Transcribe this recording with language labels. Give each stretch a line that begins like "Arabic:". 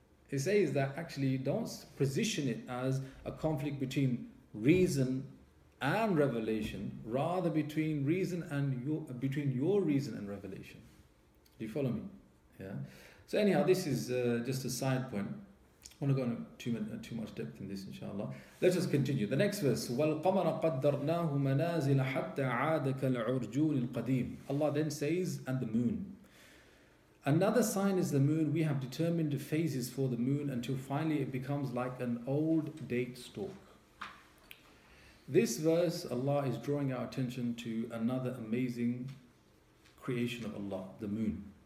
English: It says that actually don't position it as a conflict between reason and revelation, rather between reason and between your reason and revelation. Do you follow me? Yeah. So anyhow, this is just a side point. I want to go into too much depth in this, inshallah. Let us continue. The next verse:
Arabic: وَالْقَمَرَ قَدَّرْنَاهُ مَنَازِلَ حَتَّى عَادَ كَالْعُرْجُونِ الْقَدِيمِ.
English: Allah then says, and the moon. Another sign is the moon. We have determined phases for the moon until finally it becomes like an old date stalk. This verse, Allah is drawing our attention to another amazing creation of Allah, the moon.